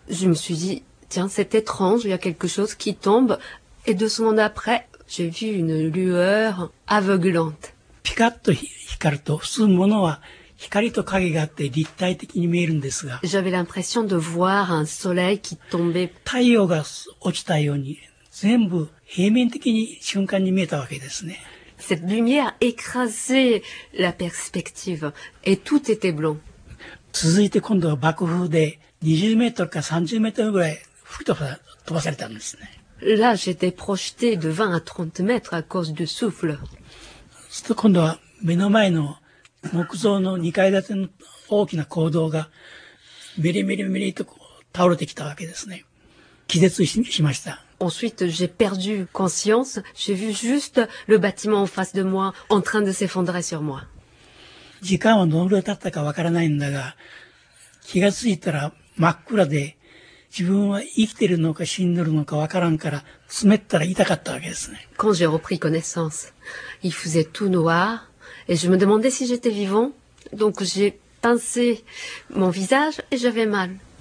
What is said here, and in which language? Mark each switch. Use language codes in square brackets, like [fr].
[fr] Je me suis dit, tiens, c'est étrange, il y a quelque chose qui tombe. Et deux secondes après, j'ai vu une lueur aveuglante. [ja] ピカッと光ると、普通ものは光と影があって立体的に見えるんですが。 [fr] J'avais l'impression de voir un soleil qui tombait. [ja] 太陽が落ちたように、全部平面的に瞬間に見えたわけですね。 [fr] Cette lumière écrasait la perspective et tout était blanc. [ja] 続いて今度は爆風で20メートルか30メートルぐらい吹き飛ばされたんですね。 [fr] Là, j'étais projeté de 20 à 30 mètres à cause du souffle. [ja] すると今度は目の前の木造の2階建ての大きな坑道がメリメリメリと倒れてきたわけですね。気絶しました。 [fr] Ensuite, j'ai perdu conscience. J'ai vu juste le bâtiment en face de moi en train de s'effondrer sur moi. [ja] 時間はどのぐらい経ったかわからないんだが、気がついたら真っ暗で、自分は生きてるのか死んでるのかわからんから、詰めったら痛かったわけですね。 [fr] Quand j'ai repris connaissance, il faisait tout noir et je me demandais si j'étais vivant. Donc j'ai pincé mon visage et j'avais mal.